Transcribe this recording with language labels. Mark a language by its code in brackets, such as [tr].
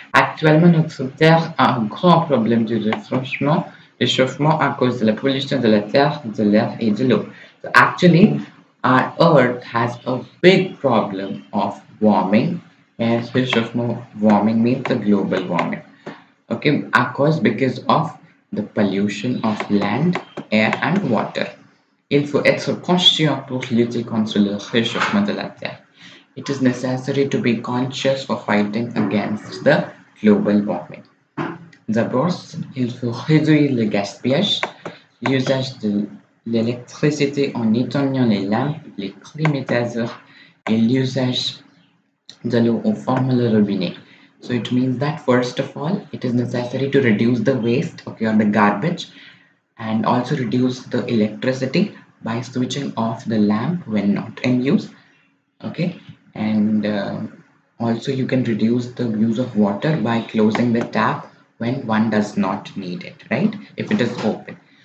[fr] Actuellement, notre terre a un grand problème du réchauffement à cause de la pollution de la terre, de l'air et de l'eau. [en] So, actually, our earth has a big problem of warming. And réchauffement, warming means the global warming. Okay, of course, because of the pollution of land, air and water. [fr] Il faut être conscient pour lutter contre le réchauffement de la terre. [en] It is necessary to be conscious for fighting against the global warming. [fr] D'abord, il faut réduire le gaspillage, l'usage de l'électricité en éteignant les lampes, les climatiseurs et l'usage jalo formula rubine. [en] So it means that first of all, it is necessary to reduce the waste, okay, or the garbage, and also reduce the electricity by switching off the lamp when not in use, okay. And also you can reduce the use of water by closing the tap when one does not need it, right, if it is open.